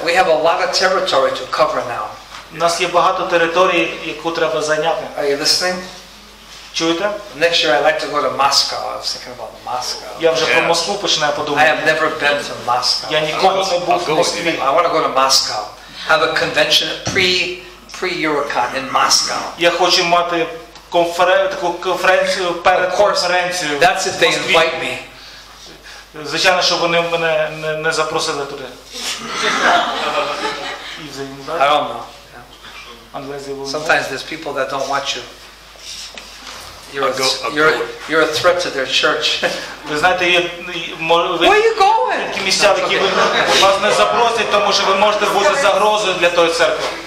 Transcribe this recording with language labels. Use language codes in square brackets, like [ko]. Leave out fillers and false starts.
[en] We have a lot of territory to cover now. [uk] У нас є багато території, яку треба зайняти. [en] Are you listening? [uk] Чуєте? [en] Next year I'd like to go to Moscow. I was thinking about Moscow. [uk] Я вже про Москву починаю подумати. [en] I have never been to Moscow. [uk] Я ніколи не був в Москві. [en] I want to go to Moscow. Have a convention pre-Eurocon in Moscow. [uk] Я хочу мати конференцію перед конференцією. [en] That's if they invite me. [uk] Звичайно, що вони мене не запросили туди. [en] I don't know. Yeah. Sometimes there's people that don't want you. You're a threat to their church. [uk] Ви знаєте, є можливість. [en] Where you going? [uk] Які місця, які ви вас не запросять, тому що ви можете бути загрозою для тої церкви.